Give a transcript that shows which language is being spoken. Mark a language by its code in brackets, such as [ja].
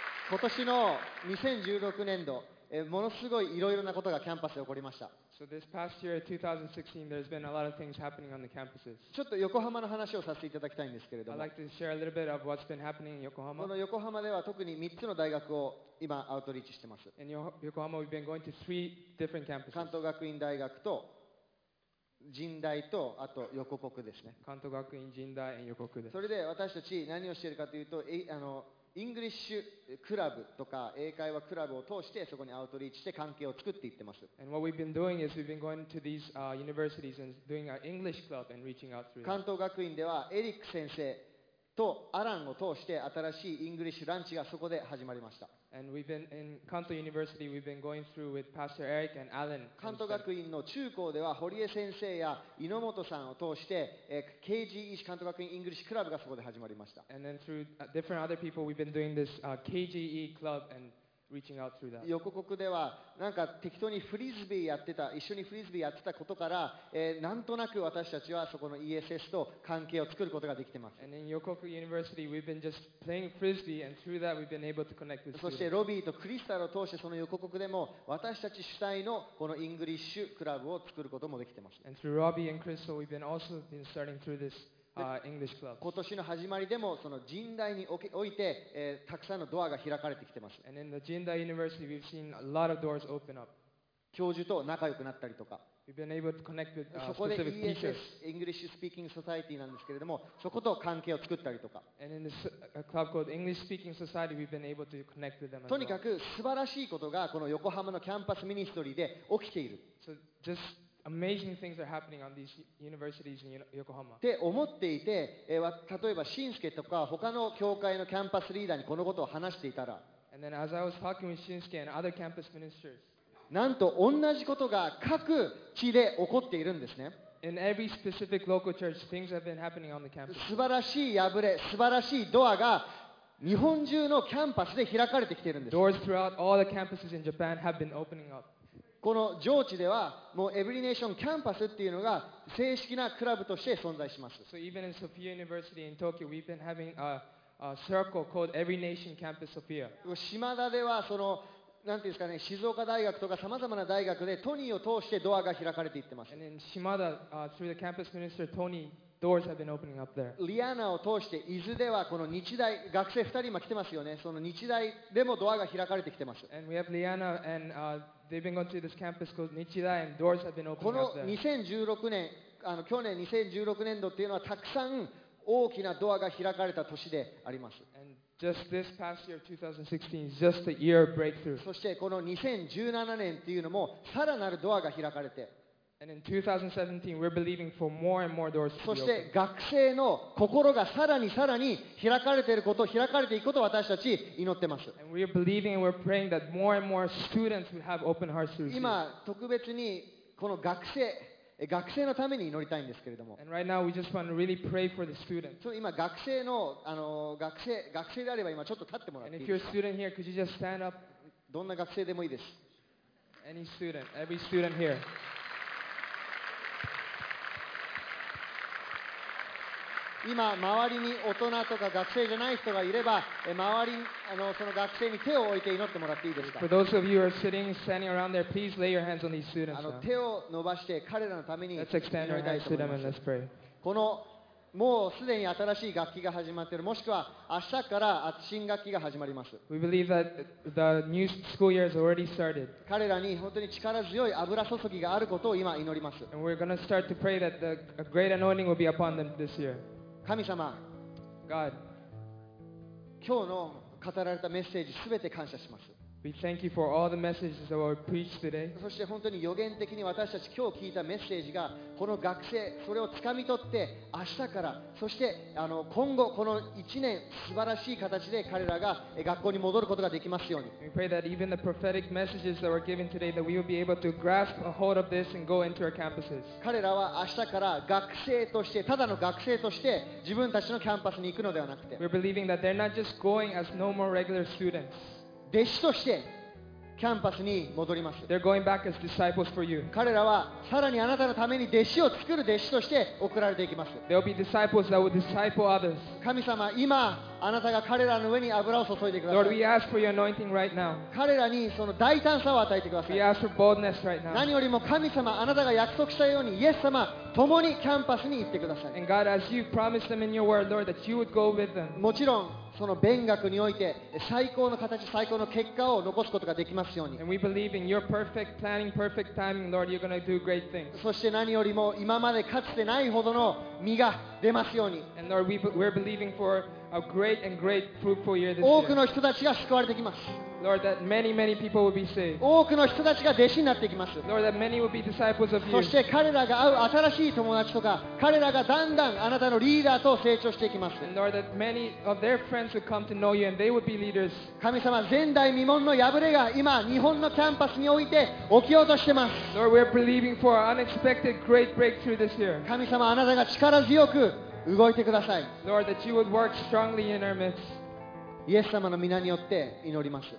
[ja] 今年の2016年度、ものすごいいろいろなことがキャンパスで起こりました。 [en] So this past year, 2016, there's been a lot of things happening on the campuses. [ja] ちょっと横浜の話をさせていただきたいんですけれども。 [en] I'd like to share a little bit of what's been happening in Yokohama. [ja] この横浜では特に3つの大学を今アウトリーチしてます。 [en] In Yokohama, we've been going to three different campuses. [ja] 関東学院大学と神大とあと横国ですね。関東学院、神大、横国です。それで私たち何をしているかというと、イングリッシュクラブとか英会話クラブを通してそこにアウトリーチして関係を作っていってます。 [en] And what we've been doing is we've been going to these universities and doing our English club and reaching out through. [ja] 関東学院ではエリック先生とアランを通して新しいイングリッシュランチがそこで始まりました。 [en] And we've been in Kanto University. We've been going through with Pastor Eric and Alan. [ja] 関東学院の中高では堀江先生や猪本さんを通して、KGE 関東学院イングリッシュクラブがそこで始まりました。 [en] And then through different other people, we've been doing this KGE club and reaching out through that. [ja] 横国ではなんか適当にフリスビーやってた、一緒にフリスビーやってたことから、なんとなく私たちはそこの ESS と関係を作ることができてます。 [en] And in Yokoku University, we've been just playing frisbee, and through that, we've been able to connect with. [ja] そしてロビーとクリスタルを通してその横国でも私たち主体のこのイングリッシュクラブを作ることもできてます。 [en] And through Robbie and Crystal, we've been also been starting through this. English club. [ja] 今年の始まりでもその神大において、たくさんのドアが開かれてきてます。 [en] And in the Jindai University, we've seen a lot of doors open up. [ja] 教授と仲良くなったりとか。 [en] We've been able to connect with specific teachers. [ja] そこで ESS English Speaking Society なんですけれども、そこと関係を作ったりとか。 [en] And in this club called English Speaking Society, we've been able to connect with them as well. [ja] とにかく素晴らしいことがこの横浜のキャンパスミニストリーで起きている。 [en] So justAmazing things are happening on these universities in Yokohama. [ja] って思っていて、例えば新助とか他の教会のキャンパスリーダーにこのことを話していたら、 [en] and then as I was talking with Shinsuke and other campus ministers, [ja] なんと同じことが各地で起こっているんですね。 [en] In every specific local church, things have been happening on the campus. [ja] 素晴らしい破れ、素晴らしいドアが日本中のキャンパスで開かれてきているんです。 [en] Doors throughout all the campuses in Japan have been opening up. [ja] この上智ではもうエブリネーションキャンパスっていうのが正式なクラブとして存在します。 [en] So even in Sophia University in Tokyo we've been having a circle called Every Nation Campus Sophia. [ja] 島田ではそのなんていうんですかね、静岡大学とかさまざまな大学でトニーを通してドアが開かれていってます。 [en] And in 島田 through the campus minister Tony doors have been opening up there. [ja] リアナを通して伊豆ではこの日大学生2人今来てますよね。その日大でもドアが開かれてきてます。 [en] And we have リアナ and They've been going to this campus called Nichida, and doors have been opening up there. [ja] この2016年、去年2016年度っていうのはたくさん大きなドアが開かれた年であります。 [en] And just this past year, 2016, is just a year of breakthrough. [ja] そしてこの2017年っていうのもさらなるドアが開かれて。 [en] And in 2017, we're believing for more and more doors to open. [ja] そして学生の心がさらにさらに開かれていること、開かれていくことを私たち祈ってます。 [en] And we're believing and we're praying that more and more students would have open hearts to receive. [ja] 今特別にこの学生のために祈りたいんですけれども。 [en] And right now we just want to really pray for the students. [ja] そう、今学生の学生であれば今ちょっと立ってもらっていいですか。 [en] And if you're a student here, could you just stand up? [ja] どんな学生でもいいです。 [en] Any student, every student here. [ja] 今周りに大人とか学生じゃない人がいれば、周りその学生に手を置いて祈ってもらっていいですか。 [en] For those of you who are sitting, standing around there, please lay your hands on these students. [ja] 手を伸ばして彼らのために祈りたいと思います。 [en] Let's extend our hands to them and let's pray. [ja] このもうすでに新しい学期が始まっている、もしくは明日から新学期が始まります。 [en] We believe that the new school year has already started. [ja] 彼らに本当に力強い油注ぎがあることを今祈ります。 [en] And we're going to start to pray that the great anointing will be upon them this year. [ja] 神様、 [en] God. [ja] 今日の語られたメッセージすべて感謝します。 [en] We thank you for all the messages that were preached today. [ja] そして本当に予言的に私たち今日聞いたメッセージがこの学生それをつかみ取って明日からそして今後この1年素晴らしい形で彼らが学校に戻ることができますように。 [en] We pray that even the prophetic messages that were given today that we will be able to grasp a hold of this and go into our campuses. [ja] 彼らは明日から学生としてただの学生として自分たちのキャンパスに行くのではなくて。 [en] We're believing that they're not just going as normal regular students. [ja] 弟子として、キャンパスに戻ります。 [en] They're going back as disciples for you. [ja] 彼らはさらにあなたのために弟子を作る弟子として送られていきます。 [en] There'll be disciples that will disciple others. [ja] 神様、今あなたが彼らの上に油を注いでください。 [en] Lord, we ask for your anointing right now. [ja] 彼らにその大胆さを与えてください。 [en] We ask for boldness right now. [ja] 何よりも神様、あなたが約束したようにイエス様共にキャンパスに行ってください。 [en] And God, as you promised them in your word, Lord, that you would go with them. [ja] もちろん。その勉学において最高の形最高の結果を残すことができますように。 [en] And we believe in your perfect planning, perfect timing, Lord, you're going to do great things. [ja] そして何よりも今までかつてないほどの実が出ますように。 [en] And Lord, we're believing for a great and great fruitful year this year. [ja] 多くの人たちが救われてきます。 [en] Lord, that many, many people will be saved. [ja] 多くの人たちが弟子になっていきます。 [en] Lord, that many will be disciples of you. [ja] そして彼らが会う新しい友達とか、彼らがだんだんあなたのリーダーと成長していきます。 [en] And Lord, that many of their friends would come to know you and they would be leaders. [ja] 神様、前代未聞の破れが今、日本のキャンパスにおいて起きようとしています。 [en] Lord, we're believing for an unexpected great breakthrough this year. [ja] 神様、あなたが力強く動いてください。 [en] Lord, that you would work strongly in our midst. [ja] イエス様の皆によって祈ります。